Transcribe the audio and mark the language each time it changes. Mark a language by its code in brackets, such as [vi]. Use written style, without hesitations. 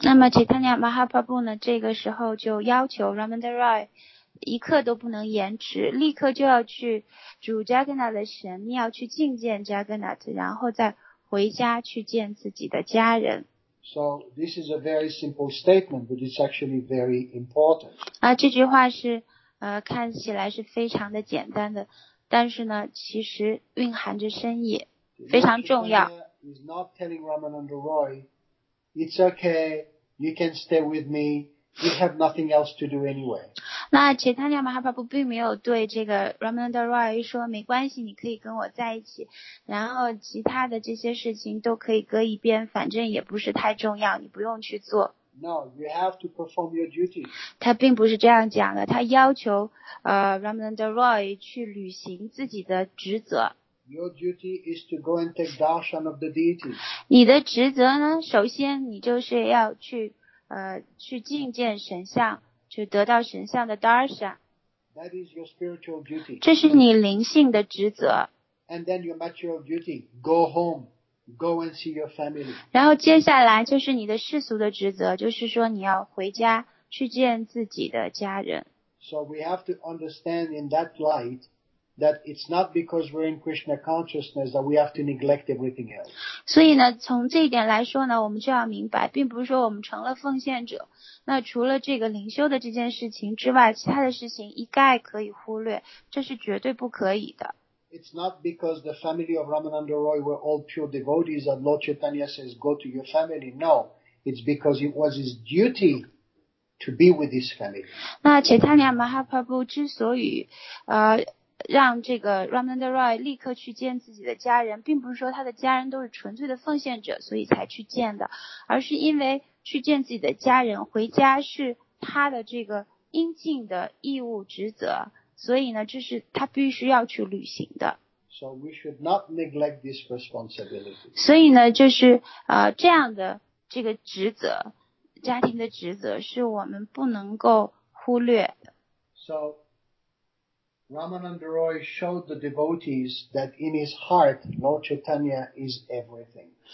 [zh] 那么 Chaitanya Mahaprabhu 呢，这个时候就要求 Ramananda Roy 一刻都不能延迟，立刻就要去主 Jagannath 的神庙去觐见 Jagannath， 然后再回家去见自己的家人。 [en] So this is a very simple statement, but it's actually very important. [zh] 这句话是看起来是非常的简单的，但是呢其实蕴含着深意，非常重要。 [en] He's not telling Ramananda Roy, it's okay, you can stay with me, you have nothing else to do anyway. [zh] 那 Chaitanya Mahaprabhu 并没有对这个 Ramananda Roy 说没关系，你可以跟我在一起，然后其他的这些事情都可以搁一边，反正也不是太重要，你不用去做。 [en] No, you have to perform your duty. [zh] 他并不是这样讲的，他要求Ramananda Roy 去履行自己的职责。 [en] Your duty is to go and take darshan of the deity. [zh] 你的职责呢？首先，你就是要去觐见神像，去得到神像的 darshan. [en] That is your spiritual duty. [zh] 这是你灵性的职责。 [en] And then your material duty, go home, go and see your family. [zh] 然后接下来就是你的世俗的职责，就是说你要回家去见自己的家人。 [en] So we have to understand in that light. That it's not because we're in Krishna consciousness that we have to neglect everything else. [zh] 所以呢，从这一点来说呢，我们就要明白，并不是说我们成了奉献者，那除了这个灵修的这件事情之外，其他的事情一概可以忽略，这是绝对不可以的。 [en] It's not because the family of Ramananda Roy were all pure devotees and Lord Chaitanya says, go to your family. No, it's because it was his duty. To be with his family. [zh] 那 Chaitanya Mahaprabhu 之所以让这个 Ramananda Roy 立刻去见自己的家人，并不是说他的家人都是纯粹的奉献者，所以才去见的，而是因为去见自己的家人，回家是他的这个应尽的义务职责，所以呢，这是他必须要去履行的。 [en] So we should not neglect this responsibility. [zh] 所以呢，就是这样的这个职责。家庭的职责是我们不能够忽略的。 [en] So, Ramananda Roy showed the devotees that in his heart, Lord Chaitanya is everything.